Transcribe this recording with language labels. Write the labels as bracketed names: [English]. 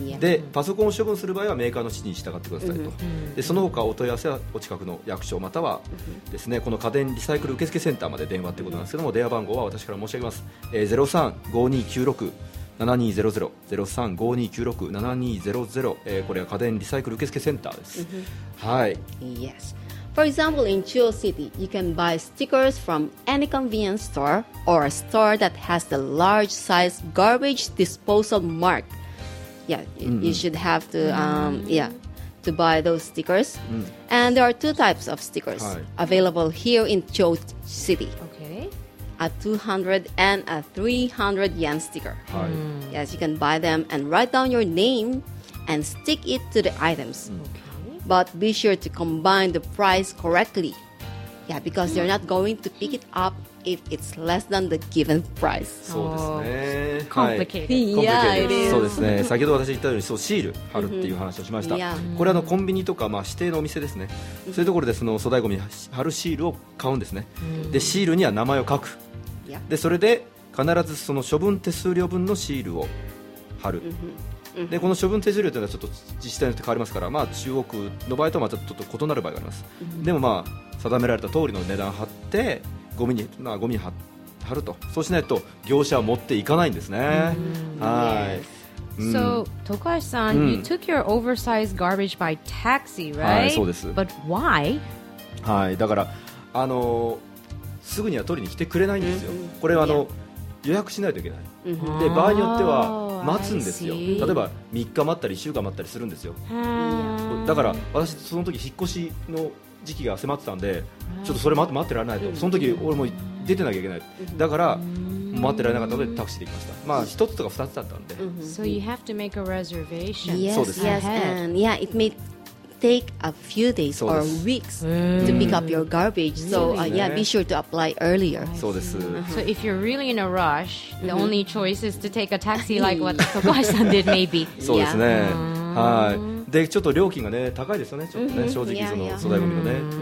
[Japanese] で、パソコンを処分する場合はメーカーの指示に従ってくださいと。で、その他お問い合わせはお近くの役所またはですね、この家電リサイクル受付センターまで電話ということなんですけども、電話番号は私から申し上げます、03-5296-7200 03-5296-7200、これは家電リサイクル受付センターです。はい。 [English] Yes. For example, in Chuo City, you can buy stickers from any convenience store or a store that has the large size garbage disposal mark. Yeah, you should have to, to buy those stickers. And there are two types of stickers available here in Chuo City. Okay. A 200 and a 300 yen sticker. Yes, you can buy them and write down your name and stick it to the items. But be sure to combine the price correctly. Yeah, because they're not going to pick it up if it's less than the given price. [Japanese] そうですね。 [English] Complicated. Yeah, it is. [Japanese] そうですね。先ほど私言ったようにそうシール貼るっていう話をしました。これはあのコンビニとか、まあ、指定のお店ですね。そういうところでその粗大ごみ貼るシールを買うんですね。で、シールには名前を書く。で、それで必ずその処分手数料分のシールを貼る。でこの処分手数料というのはちょっと自治体によって変わりますから、まあ、中国の場合とはまたちょっと異なる場合があります。でも、まあ、定められた通りの値段を貼ってゴミに、まあ、ゴミに貼ると。そうしないと業者は持っていかないんですね。はい。 [English] So, Tokashi-san, you took your oversized garbage by taxi, right? [Japanese] はい、そうです。 [English] But why? [Japanese] はい、だから、すぐには取りに来てくれないんですよ。これはあの、予約しないといけない。で、場合によっては待つんですよ。例えば3日待ったり1週間待ったりするんですよ。だから私その時引っ越しの時期が迫ってたんで、ちょっとそれ待ってられないと、その時俺も出てなきゃいけない、だから待ってられなかったのでタクシーで行きました。まあ1つとか2つだったんで。 [English] So you have to make a reservation. [Japanese] そうです。 [English] Yes, and yeah, it may take a few days or weeks to pick up your garbage. So yeah, be sure to apply earlier. [Japanese] そうです。 [English] So if you're really in a rush, the only choice is to take a taxi like what Tokashi-san did maybe. [Japanese] そうですね。はい。でちょっと料金がね高いですよね。ちょっとね正直その粗大ごみのね、